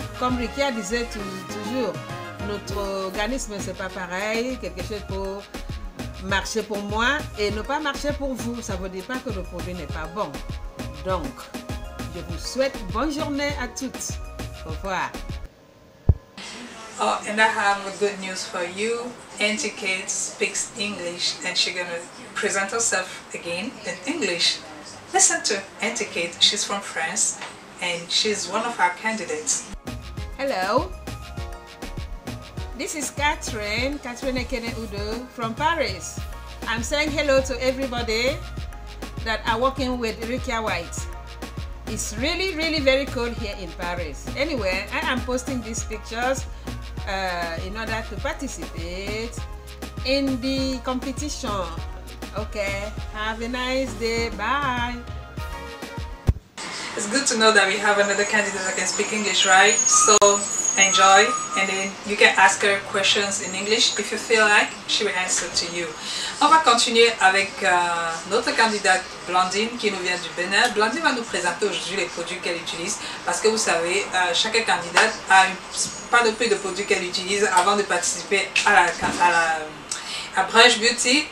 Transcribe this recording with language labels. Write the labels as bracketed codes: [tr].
[fr] Comme Ricky disait toujours, notre organisme, c'est pas pareil. Quelque chose peut marcher pour moi et ne pas marcher pour vous. Ça ne veut dire pas que le produit n'est pas bon. Donc, je vous souhaite bonne journée à toutes. Au revoir. [en] Oh, and I have good news for you. Antiquette speaks English and she's going to present herself again in English. Listen to Antiquette. She's from France and she's one of our candidates. Hello. This is Catherine, Catherine Ekene-Udo from Paris. I'm saying hello to everybody that are working with Rikia White. It's really, really very cold here in Paris. Anyway, I am posting these pictures in order to participate in the competition. Okay, have a nice day. Bye. It's good to know that we have another candidate that can speak English, right? So enjoy, and then you can ask her questions in English if you feel like she will answer to you. [fr] On va continuer avec notre candidate Blandine qui nous vient du Bénin. Blandine va nous présenter aujourd'hui les produits qu'elle utilise parce que vous savez, chaque candidate a pas de peu de produits qu'elle utilise avant de participer à Brunch Beauty.